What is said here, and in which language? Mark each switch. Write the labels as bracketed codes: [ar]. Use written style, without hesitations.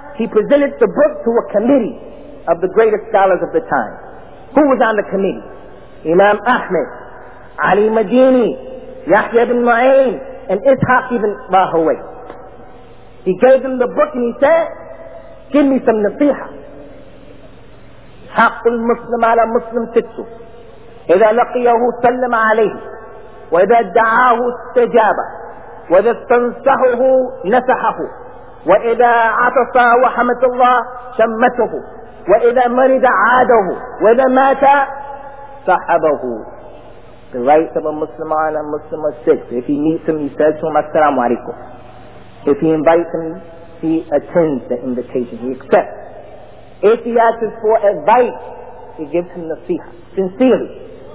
[en] he presented the book to a committee of the greatest scholars of the time. Who was on the committee? Imam Ahmed, Ali Madini, Yahya ibn Ma'in, and Ishaq ibn Bahawi. He gave them the book and he said, give me some nasiha. [ar] حق المسلم على مسلم ست إذا لقيه سلم عليه وإذا دعاه استجاب وإذا استنصحه نصحه وإذا عطس وحمد الله شمته وإذا مرض عاده وإذا مات صحبه. [en] The rights of a Muslim on a Muslim are six. If he meets him, he says to him, As-salamu alaykum. If he invites him, he attends the invitation. He accepts. If he asks for advice, he gives him nasiha, sincerely.